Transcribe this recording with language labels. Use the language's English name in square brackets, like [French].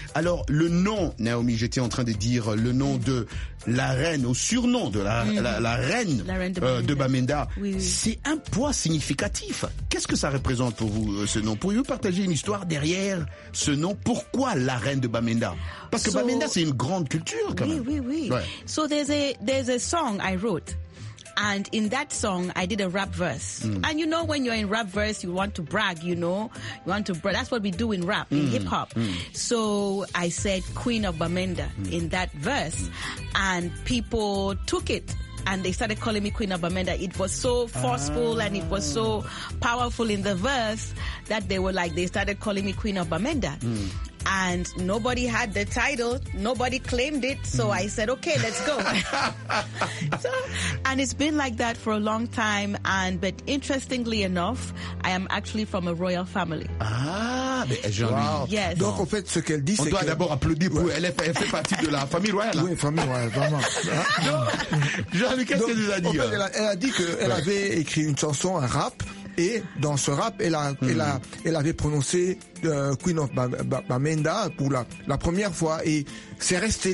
[French] Alors, le nom, Naomi, j'étais en train de dire le nom de la reine, au surnom de la reine de Bamenda. Oui. C'est un poids significatif. Qu'est-ce que ça représente pour vous, ce nom? Pourriez-vous partager une histoire derrière ce nom? Pourquoi la reine de Bamenda? Parce que Bamenda, c'est une grande culture, quand même. Oui. Ouais. [English] So there's a song I wrote. And in that song, I did a rap verse. Mm. And you know, when you're in rap verse, you want to brag, you know? You want to brag. That's what we do in rap, in hip hop. Mm. So I said Queen of Bamenda in that verse. And people took it and they started calling me Queen of Bamenda. It was so forceful and it was so powerful in the verse that they were like, they started calling me Queen of Bamenda. Mm. And nobody had the title. Nobody claimed it. So I said, okay, let's go. So And it's been like that for a long time. But interestingly enough, I am actually from a royal family. [French] Mais donc en fait, ce qu'elle dit, on doit d'abord applaudir pour elle fait partie de la famille royale. Oui, famille royale, vraiment. Jean-Louis, qu'est-ce qu'elle nous a dit? En fait, elle a dit qu'elle avait écrit une chanson, un rap, et dans ce rap, elle avait prononcé Queen of Bamenda pour la première fois, et c'est resté.